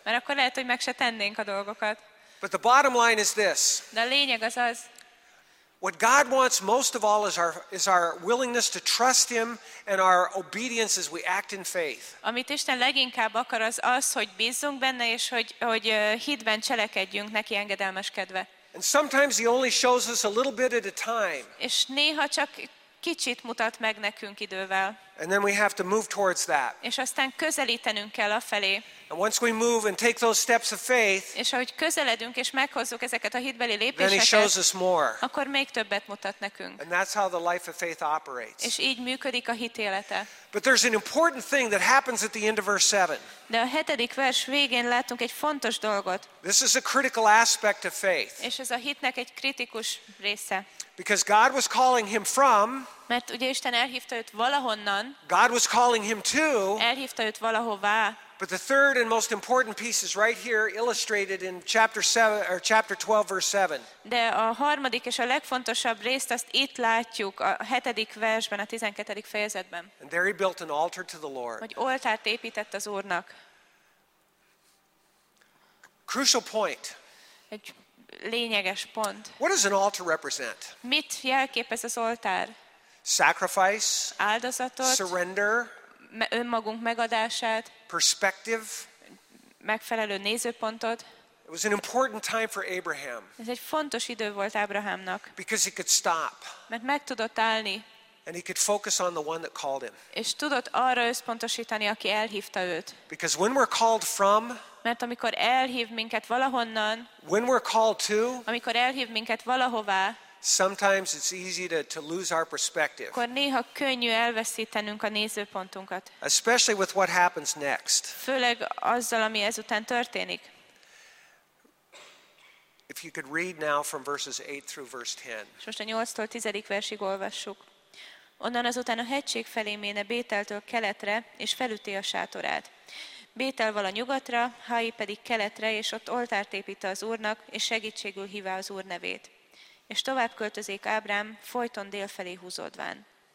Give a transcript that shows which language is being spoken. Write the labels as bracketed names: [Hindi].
[Hungarian] Mert akkor lehet, hogy meg se tennénk a dolgokat. [English] But the bottom line is this. [Hungarian] De a lényeg az az. [English] What God wants most of all is our willingness to trust him and our obedience as we act in faith. [Hungarian] Amit Isten leginkább akar az, hogy bízzunk benne és hogy hitben cselekedjünk neki engedelmeskedve. [English] And sometimes he only shows us a little bit at a time. [Hungarian] És néha csak kicsit mutat meg nekünk idővel. [English] And then we have to move towards that. [Hungarian] És aztán közelítenünk kell afelé. [English] And once we move and take those steps of faith. [Hungarian] És ahogy közeledünk és meghozzuk ezeket a hitbeli lépéseket. [English] Then he shows us more. [Hungarian] Akkor még többet mutat nekünk. [English] And that's how the life of faith operates. [Hungarian] És így működik a hit élete. [English] But there's an important thing that happens at the end of verse 7. [Hungarian] De a hetedik vers végén látunk egy fontos dolgot. [English] This is a critical aspect of faith. [Hungarian] És ez a hitnek egy kritikus része. [English] Because God was calling him from. [Hungarian] Mert ugye Isten elhívta őt valahonnan. [English] God was calling him to. [Hungarian] Elhívta őt valahová. [English] But the third and most important piece is right here illustrated in chapter 12 verse 7. [Hungarian] De a harmadik és a legfontosabb részt azt itt látjuk a hetedik versben, a 12. fejezetben. [English] And there he built an altar to the Lord. [Hungarian] Hogy oltárt épített az Úrnak. [English] Crucial point. [Hungarian] Egy lényeges pont. [English] What does an altar represent? [Hungarian] Mit jelképez az oltár? [English] Sacrifice, [Hungarian] áldozatot, [English] surrender, [Hungarian] önmagunk megadását, [English] perspective, [Hungarian] megfelelő nézőpontot. [English] It was an important time for Abraham. [Hungarian] Ez egy fontos idő volt Ábrahámnak. [English] Because he could stop. [Hungarian] Mert meg tudott állni. [English] And he could focus on the one that called him. [Hungarian] És tudott arra összpontosítani, aki elhívta őt. [English] Because when we're called from, [Hungarian] mert amikor elhív minket valahonnan, [English] when we're called to, [Hungarian] amikor elhív minket valahová, [English] sometimes it's easy to lose our perspective. [Hungarian] Akkor néha könnyű elveszítenünk a nézőpontunkat. [English] Especially with what happens next. [Hungarian] Főleg azzal, ami ezután történik. [English] If you could read now from verses 8 through verse 10. [Hungarian] És most a 8-tól 10-ig versig olvassuk. Onnan azután a hegység felé méne Bételtől keletre, és felüti a sátorát. Bétel vala nyugatra, Hai pedig keletre, és ott oltárt építe az Úrnak, és segítségül hívá az Úr nevét. És tovább költözék Ábrám, folyton délfelé húzódván.